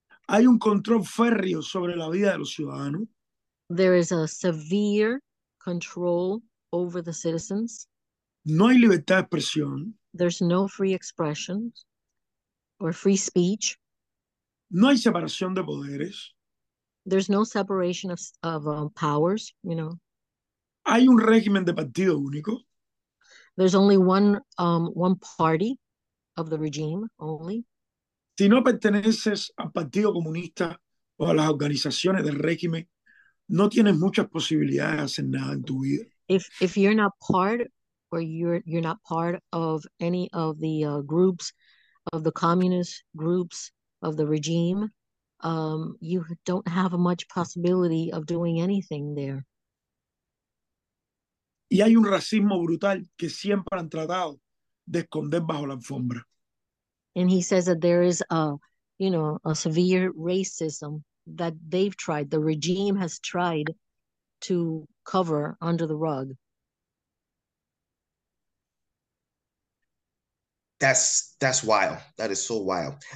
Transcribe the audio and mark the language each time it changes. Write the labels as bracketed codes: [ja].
[es] Hay un control férreo sobre la vida de los ciudadanos. [en] There is a severe control over the citizens. [es] No hay libertad de expresión. [en] There's no free expression or free speech. [es] No hay separación de poderes. [en] There's no separation of powers, you know. [es] Hay un régimen de partido único. [en] There's only one party of the regime only. [es] Si no perteneces al Partido Comunista o a las organizaciones del régimen, no tienes muchas posibilidades de hacer nada en tu vida. [en] If you're not part or you're not part of any of the groups of the communist groups of the regime, you don't have much possibility of doing anything there. [es] Y hay un racismo brutal que siempre han tratado de esconder bajo la alfombra. [en] And he says that there is a, you know, a severe racism that they've tried, the regime has tried to cover under the rug. That's wild. That is so wild.